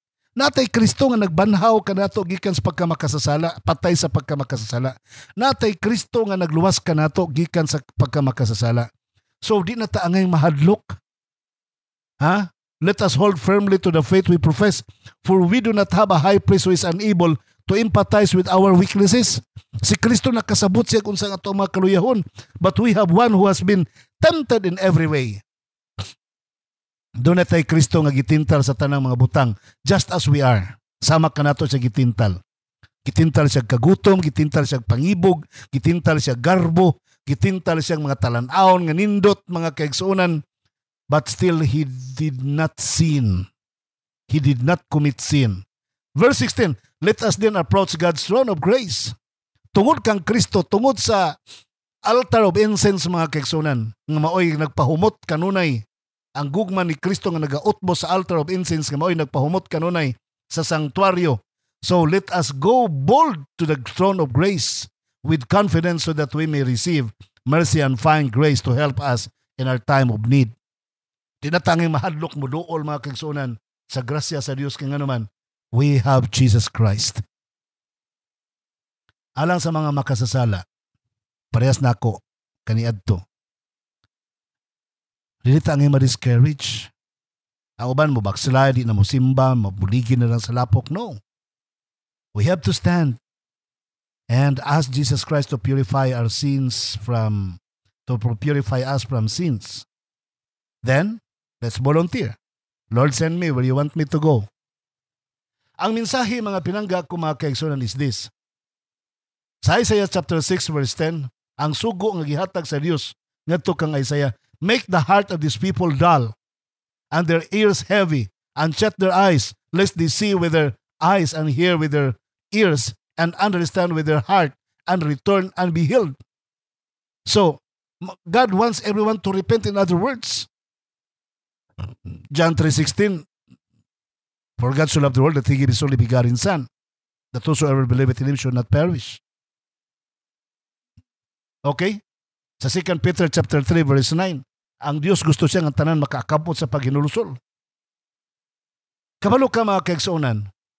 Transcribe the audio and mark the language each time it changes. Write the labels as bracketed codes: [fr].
[ceb] Natay Kristo nga nagbanhaw kanato gikan sa pagkamakasasala, patay sa pagkamakasasala. Natay Kristo nga nagluwas kanato gikan sa pagkamakasasala. So di na ta angay mahadlok. Ha? [en] Let us hold firmly to the faith we profess, for we do not have a high priest who is unable to empathize with our weaknesses. [ceb] Si Kristo nakasabot siya kung saan ito mga kaluyahon. [en] But we have one who has been tempted in every way. [ceb] Doon tay Kristo nga gitintal sa tanang mga butang, [en] just as we are. [ceb] Sama ka nato siya gitintal. Gitintal siya kagutom, gitintal siya pangibog, gitintal siya garbo, gitintal siya mga talanaon, nga nindot, mga kaigsunan. [en] But still, he did not sin. He did not commit sin. Verse 16, let us then approach God's throne of grace. [ceb] Tungod kang Kristo, tungod sa altar of incense, mga kaigsunan, nga maoy nagpahumot kanunay, ang gugma ni Kristo nga nagautbo sa altar of incense, nga maoy nagpahumot kanunay sa sanctuaryo. [en] So let us go bold to the throne of grace with confidence so that we may receive mercy and find grace to help us in our time of need. [ceb] Tinatanging mahadlok mo dool, mga kaigsunan, sa grasya sa Dios, kaya naman, [en] we have Jesus Christ. [ceb] alang sa mga makasasala, parehas na ako kaniadto. Dilita ang miscarriage. Auban mo backslide, di na mo simba, mabuligin na lang sa lapok. No. [en] We have to stand and ask Jesus Christ to purify our sins from, to purify us from sins. Then, let's volunteer. Lord, send me where you want me to go. [ceb] Ang mensahe, mga pinangga ko, mga kaigsoonan, [en] is this. [ceb] Sa Isaiah chapter 6, verse 10, ang sugo nga gihatag sa Dios, ngadto kang Isaiah, [en] make the heart of these people dull, and their ears heavy, and shut their eyes, lest they see with their eyes, and hear with their ears, and understand with their heart, and return and be healed. So, God wants everyone to repent, in other words. John 3:16, for God so loved the world that he gave his only begotten son, that whosoever believeth in him should not perish. Okay? [ceb] Sa 2 Peter chapter 3, verse 9, ang Dios gusto siya ng tanan makakampot sa paghinulusol. Kabalo ka, mga kaigsoonan.